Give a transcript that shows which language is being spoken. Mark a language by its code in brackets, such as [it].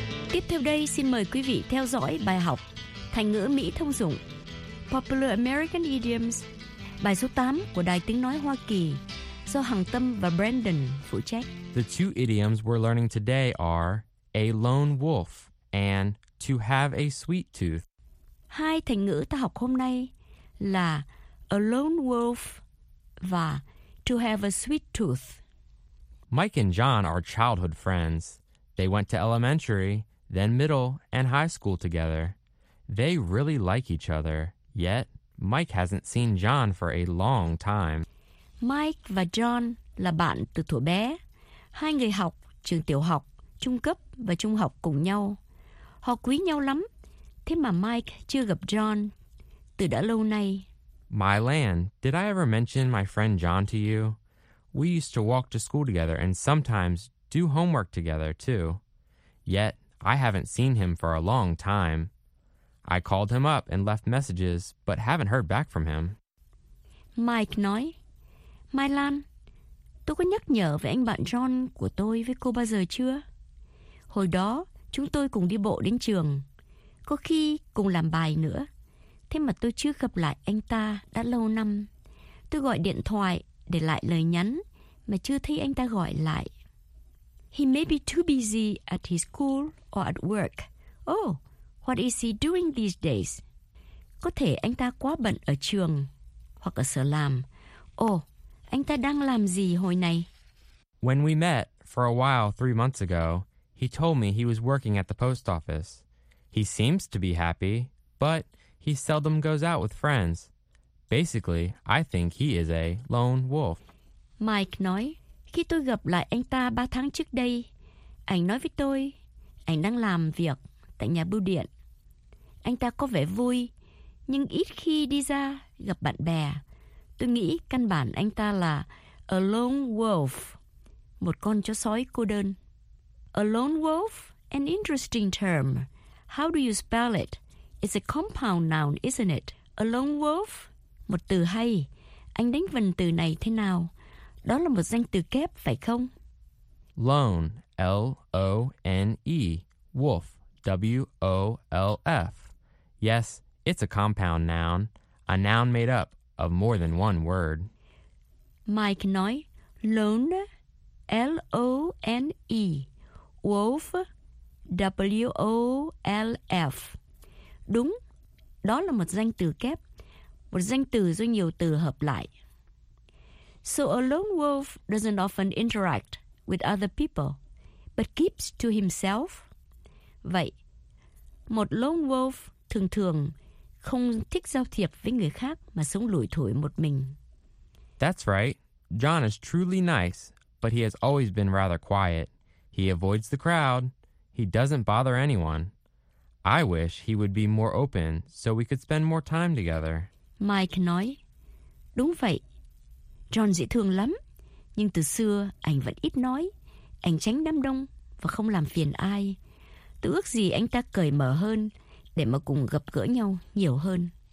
[vi] Tiếp theo đây, xin mời quý vị theo dõi bài học Thành ngữ Mỹ thông dụng Popular American Idioms, bài số 8 của Đài Tiếng Nói Hoa Kỳ, do Hằng Tâm và Brandon phụ trách. [en] The two idioms we're learning today are a lone wolf and to have a sweet tooth. [vi] Hai thành ngữ ta học hôm nay là a lone wolf và to have a sweet tooth. [en] Mike and John are childhood friends. They went to elementary, then middle and high school together. They really like each other, yet Mike hasn't seen John for a long time. [vi] Mike và John là bạn từ thuở bé. Hai người học trường tiểu học, trung cấp và trung học cùng nhau. Họ quý nhau lắm, thế mà Mike chưa gặp John từ đã lâu nay. [en] My Lan, did I ever mention my friend John to you? We used to walk to school together and sometimes do homework together too. Yet, I haven't seen him for a long time. I called him up and left messages, but haven't heard back from him. [vi] Mike nói, My Lan, tôi có nhắc nhở về anh bạn John của tôi với cô bao giờ chưa? Hồi đó, chúng tôi cùng đi bộ đến trường, có khi cùng làm bài nữa. Thế mà tôi chưa gặp lại anh ta đã lâu năm. Tôi gọi điện thoại để lại lời nhắn mà chưa thấy anh ta gọi lại. [en] He may be too busy at his school or at work. Oh, what is he doing these days? [vi] Có thể anh ta quá bận ở trường hoặc ở sở làm. Oh, anh ta đang làm gì hồi này? [en] When we met for a while 3 months ago, he told me he was working at the post office. He seems to be happy, but he seldom goes out with friends. Basically, I think he is a lone wolf. [vi] Mike nói, khi tôi gặp lại anh ta 3 tháng trước đây, anh nói với tôi, anh đang làm việc tại nhà bưu điện. Anh ta có vẻ vui, nhưng ít khi đi ra gặp bạn bè. Tôi nghĩ căn bản anh ta là a lone wolf, một con chó sói cô đơn. [en] A lone wolf, an interesting term. How do you spell it? It's a compound noun, isn't it? A lone wolf? [vi] Một từ hay. Anh đánh vần từ này thế nào? Đó là một danh từ kép, phải không? [en] Lone, L-O-N-E, wolf, W-O-L-F. Yes, it's a compound noun, a noun made up of more than one word. [vi] Mike nói, lone, L-O-N-E, wolf, W-O-L-F. Đúng, đó là một danh từ kép, một danh từ do nhiều từ hợp lại. [en] So a lone wolf doesn't often interact with other people, but keeps to himself. [vi] Vậy, một lone wolf thường thường không thích giao thiệp với người khác mà sống lủi thủi một mình. [en] That's right. John is truly nice, but he has always been rather quiet. He avoids the crowd. He doesn't bother anyone. I wish he would be more open so we could spend more time together. [vi] Mike nói, đúng vậy. John dễ thương lắm, nhưng từ xưa anh vẫn ít nói. Anh tránh đám đông và không làm phiền ai. Tôi ước gì anh ta cởi mở hơn để mà cùng gặp gỡ nhau nhiều hơn.